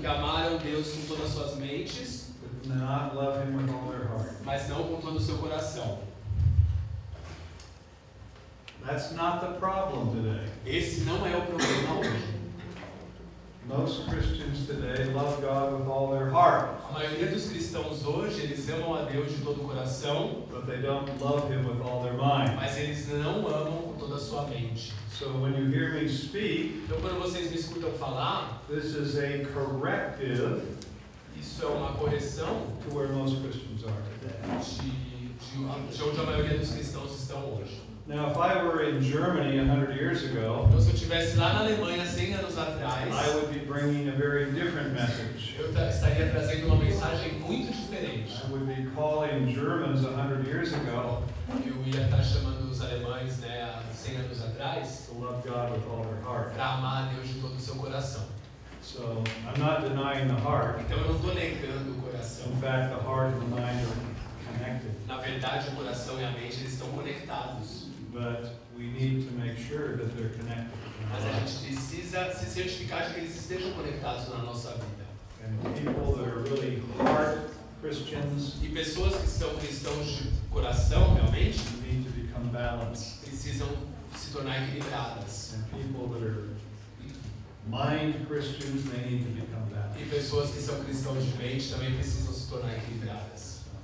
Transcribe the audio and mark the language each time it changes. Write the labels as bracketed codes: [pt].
[pt] que amaram Deus com todas as suas mentes, [en] but not love him with all their heart. [pt] Mas não com todo o seu coração. [en] That's not the problem today. [pt] Esse não é o problema hoje. [en] Most Christians today love God with all their heart. [pt] A maioria dos cristãos hoje, eles amam a Deus de todo o coração, [en] but they don't love him with all their mind. [pt] Mas eles não amam com toda a sua mente. [en] So when you hear me speak, [pt] então quando vocês me escutam falar, [en] this is a corrective, [pt] isso é uma correção, [en] to where most Christians are today. [pt] De onde a maioria dos cristãos estão hoje. [en] Now, if I were in Germany 100 years ago, [pt] então, se eu estivesse lá na Alemanha 100 anos atrás, [en] I would be bringing a very different message. [pt] Eu estaria trazendo uma mensagem muito diferente. [en] I would be calling Germans 100 years ago, [pt] eu ia estar chamando os alemães, né, 100 anos atrás, [en] to love God with all their heart. [pt] Para amar a Deus de todo o seu coração. [en] So, I'm not denying the heart. [pt] Então, eu não estou negando o coração. [en] In fact, the heart and the mind are connected. [pt] Na verdade, o coração e a mente, eles estão conectados. [en] But we need to make sure that they're connected. [pt] Mas a gente precisa se certificar de que eles estejam conectados na nossa vida. [en] And people that are really heart Christians, [pt] e pessoas que são cristãos de coração, realmente, [en] need to become balanced. [pt] Precisam se tornar equilibradas. [en] And people that are mind Christians, they need to become balanced. [pt] E pessoas que são cristãos de mente também precisam se tornar equilibradas.